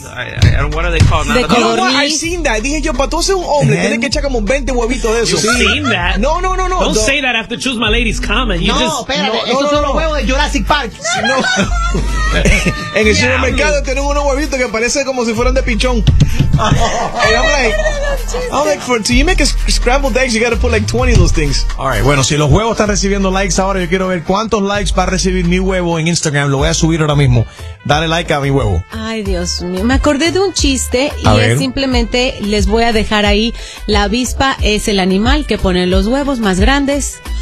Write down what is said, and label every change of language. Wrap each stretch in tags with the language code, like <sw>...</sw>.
<es>Eso,</es> <en>I don't know what are they called.</en> <es>De codorniz.</es> <en>I've seen that.</en> <es>Dije yo, para tú ser un hombre, tienes que echar como 20 huevitos de eso.</es> <en>You've seen that.</en> <es>No.</es> <en>Don't say that after Choose My Lady's comment. You no, just,</en> <es>espérate. No, esos son los huevos de Jurassic Park. No. En el supermercado tienen unos huevitos que parecen como si fueran de pichón.</es> <en>I'm like, for to you make a scrambled eggs, you gotta put like 20 of those things.</en> <es>All right, bueno, si los huevos están recibiendo likes ahora, yo quiero ver cuántos likes va a recibir mi huevo en Instagram. Lo voy a subir ahora mismo. Dale like a mi huevo. Ay, Dios mío. Me acordé de un chiste y es simplemente les voy a dejar ahí. La avispa es el animal que pone los huevos más grandes.</es>